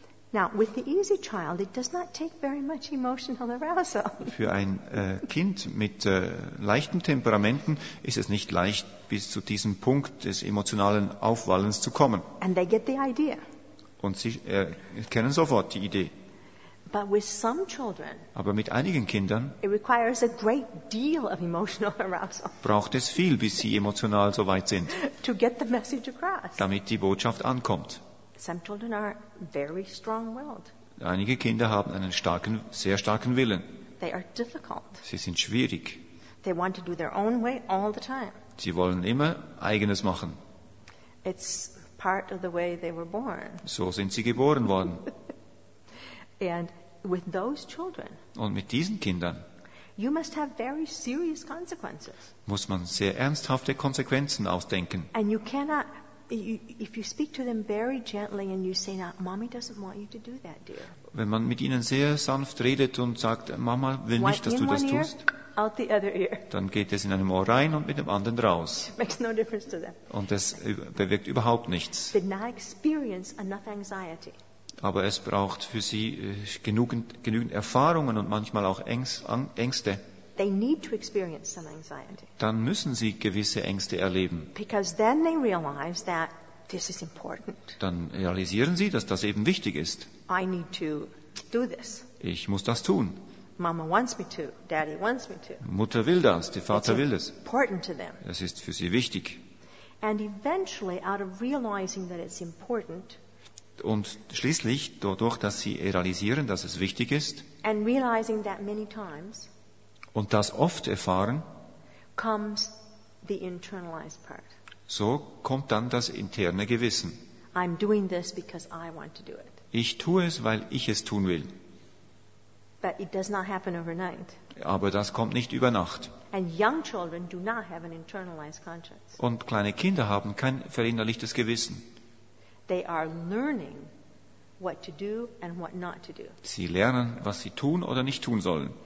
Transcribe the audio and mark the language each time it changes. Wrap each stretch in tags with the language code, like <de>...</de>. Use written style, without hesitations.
<en>Now, with the easy child, it does not take very much emotional arousal.</en> <de>Für ein Kind mit leichten Temperamenten ist es nicht leicht, bis zu diesem Punkt des emotionalen Aufwallens zu kommen.</de> <en>And they get the idea.</en> <de>Und sie erkennen sofort die Idee.</de> <en>But with some children,</en> <de>aber mit einigen Kindern,</de> <en>it requires a great deal of emotional arousal.</en> <de>Braucht es viel, bis sie emotional so weit sind.</de> <en>To get the message across.</en> <de>Damit die Botschaft ankommt.</de> <en>Some children are very strong-willed.</en> <de>Einige Kinder haben einen starken, sehr starken Willen.</de> <en>They are difficult.</en> <de>Sie sind schwierig.</de> <en>They want to do their own way all the time.</en> <de>Sie wollen immer Eigenes machen.</de> <en>It's part of the way they were born.</en> <de>So sind sie geboren worden.</de> <en>And with those children,</en> <de>und mit diesen Kindern,</de> <en>you must have very serious consequences.</en> <de>Muss man sehr ernsthafte Konsequenzen ausdenken.</de> <en>And you cannot. If you speak to them very gently and you say, "Now, Mommy doesn't want you to do that, dear."</en> <de>Wenn man mit ihnen sehr sanft redet und sagt, Mama will nicht, dass du das tust,</de> <en>out the other ear.</en> <de>Dann geht es in einem Ohr rein und mit dem anderen raus.</de> <en>Makes no difference to them.</en> <de>Und es bewirkt überhaupt nichts.</de> <en>Did not experience enough anxiety.</en> <de>Aber es braucht für sie genügend Erfahrungen und manchmal auch Ängste.</de> <en>They need to experience some anxiety.</en> <de>Dann müssen sie gewisse Ängste erleben.</de> <en>Because then they realize that this is important.</en> <de>Dann realisieren sie, dass das eben wichtig ist.</de> <en>I need to do this.</en> <de>Ich muss das tun.</de> <en>Mama wants me to. Daddy wants me to.</en> <de>Mutter will das, der Vater</de> <en>It's</en> <de>will es.</de> <en>Important to them.</en> <de>Es ist für sie wichtig.</de> <en>And eventually, out of realizing that it's important,</en> <de>und schließlich dadurch, dass sie realisieren, dass es wichtig ist,</de> <en>and realizing that many times,</en> <de>und das oft erfahren,</de> <en>comes the internalized part.</en> <de>So kommt dann das interne Gewissen.</de> <en>I'm doing this because I want to do it.</en> <de>Ich tue es, weil ich es tun will.</de> <en>But it does not happen overnight.</en> <de>Aber das kommt nicht über Nacht.</de> <en>And young children do not have an internalized conscience.</en> <de>Und kleine Kinder haben kein verinnerlichtes Gewissen.</de> <en>They are learning what to do and what not to do.</en> <de>Sie lernen, was sie tun oder nicht tun sollen.</de>